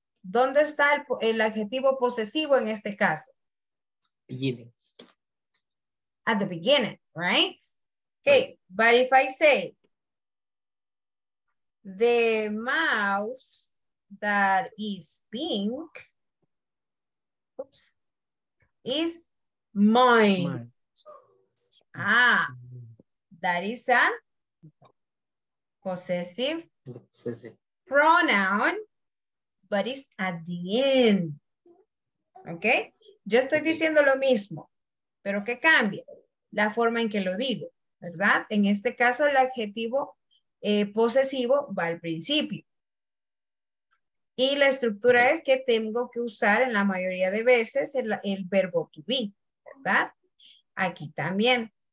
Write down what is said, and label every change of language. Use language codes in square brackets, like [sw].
[es] ¿Dónde está el adjetivo posesivo en este caso? [en] Beginning. At the beginning, right? Okay, but if I say the mouse that is pink, oops, is mine. Ah, that is a possessive, pronoun, but it's at the end. [es] Okay, yo estoy diciendo lo mismo, pero ¿qué cambia? La forma en que lo digo, ¿verdad? En este caso, el adjetivo posesivo va al principio. Y la estructura es que tengo que usar en la mayoría de veces el verbo to be, ¿verdad? Aquí también.